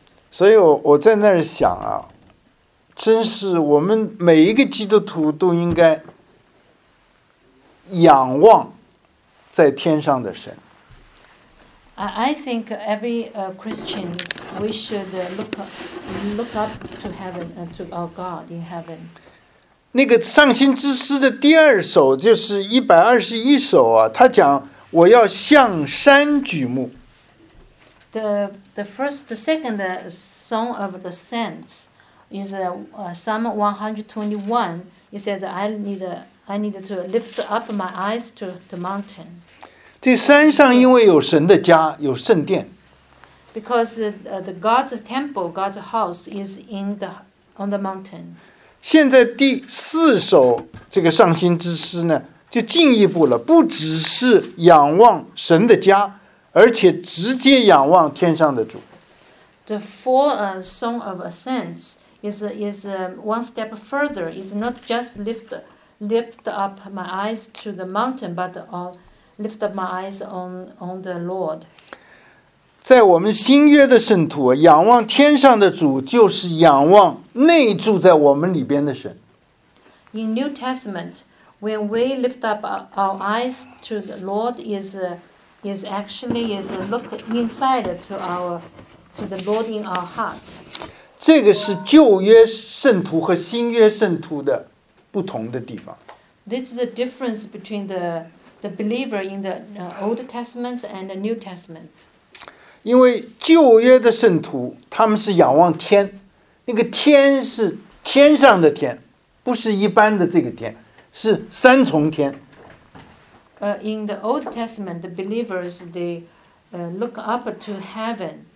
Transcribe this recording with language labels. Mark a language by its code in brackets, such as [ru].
[zh] 所以我在那儿想啊，真是我们每一个基督徒都应该仰望在天上的神。 [en] I think every Christians we should look up to heaven to our God in heaven. [zh] 那个上行之诗的第二首就是121首啊，他讲我要向山举目。 [en] The first, the second song of the saints is Psalm 121. It says, I need to lift up my eyes to the mountain. [zh] 这山上因为有神的家，有圣殿。 [en] Because the God's temple, God's house is on the mountain. [zh] 现在第四首这个上行之诗呢，就进一步了，不只是仰望神的家，而且直接仰望天上的主。 [en] The fourth song of ascent is one step further. It's not just lift up my eyes to the mountain, but lift up my eyes on the Lord. [zh] 在我们新约的圣徒，仰望天上的主，就是仰望。内住在我们里边的神。 [en] In New Testament, when we lift up our eyes to the Lord, is actually look inside to the Lord in our heart. [zh] 这个是旧约圣徒和新约圣徒的不同的地方。 [en] This is the difference between the believer in the Old Testament and the New Testament. [zh] 因为旧约的圣徒，他们是仰望天。那个天是天上的天，不是一般的这个天，是三重天。 [en] In the Old Testament, the believers they look up to heaven.